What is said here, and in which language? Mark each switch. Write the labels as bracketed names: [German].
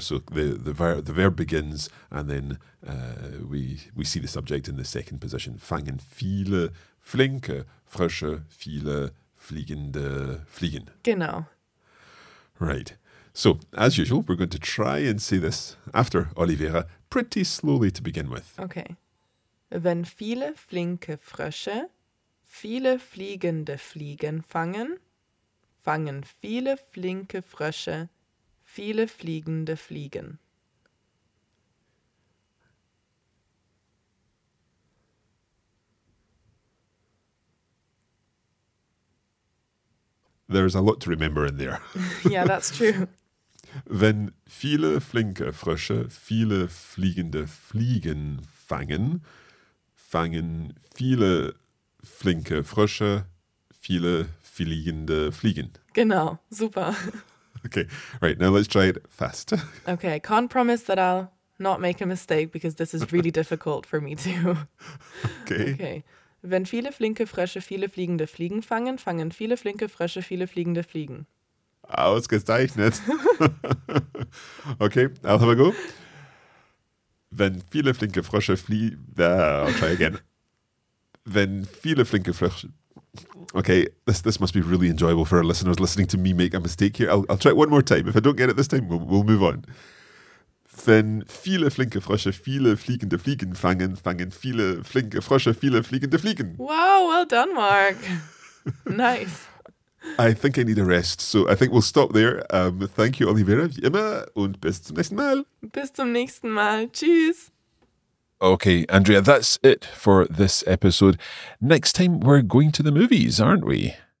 [English] So the verb begins and then we see the subject in the second position. [German] Fangen viele flinke Frösche, viele fliegende Fliegen. Genau. [English] Right. So, as usual, we're going to try and say this after Oliveira pretty slowly to begin with. Okay. [German] Wenn viele flinke Frösche viele fliegende Fliegen fangen, fangen viele flinke Frösche viele fliegende Fliegen. [English] There's a lot to remember in there. Yeah, that's true. [German] Wenn viele flinke Frösche viele fliegende Fliegen fangen, fangen viele flinke Frösche viele fliegende Fliegen. Genau, super. [English] Okay, right, now let's try it fast. Okay, I can't promise that I'll not make a mistake because this is really difficult for me too. Okay. Okay. [German] Wenn viele flinke Frösche viele fliegende Fliegen fangen, fangen viele flinke Frösche viele fliegende Fliegen. [English] Ausgezeichnet. Okay, I'll have a go. [German] Wenn viele flinke Frösche [English] I'll try again. [German] Wenn viele flinke Frösche... [English] Okay, this must be really enjoyable for our listeners listening to me make a mistake here. I'll try it one more time. If I don't get it this time, we'll move on. [German] Wenn viele flinke Frösche viele fliegende Fliegen fangen, fangen viele flinke Frösche viele fliegende Fliegen. [English] Wow, well done, Mark. Nice. I think I need a rest, so I think we'll stop there. Thank you, [German] Oliveira, wie immer, und bis zum nächsten Mal. Bis zum nächsten Mal. Tschüss. [English] Okay, Andrea, that's it for this episode. Next time, we're going to the movies, aren't we?